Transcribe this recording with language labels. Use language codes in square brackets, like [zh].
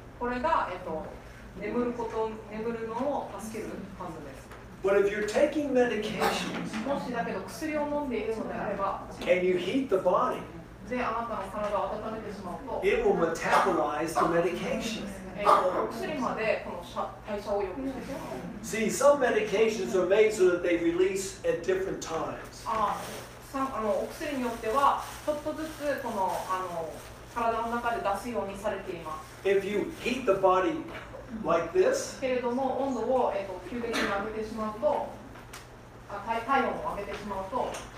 [ja] これが、眠るのを助けるはずです。 [en] But if you're taking medications, [ja] もしだけど薬を飲んでいるのであれば、 [en] can you heat the body? [ja] で、あなたの体を温めてしまうと、 [en] it will metabolize the medication. [ja] 薬までこの代謝を良くしてしまう。 [en] See, some medications are made so that they release at different times. [ja] お薬によっては、ちょっとずつこの、体の中で出すようにされています。 [en] If you heat the body like this, [ja] けれども、温度を、急激に上げてしまうと、体温を上げてしまうと、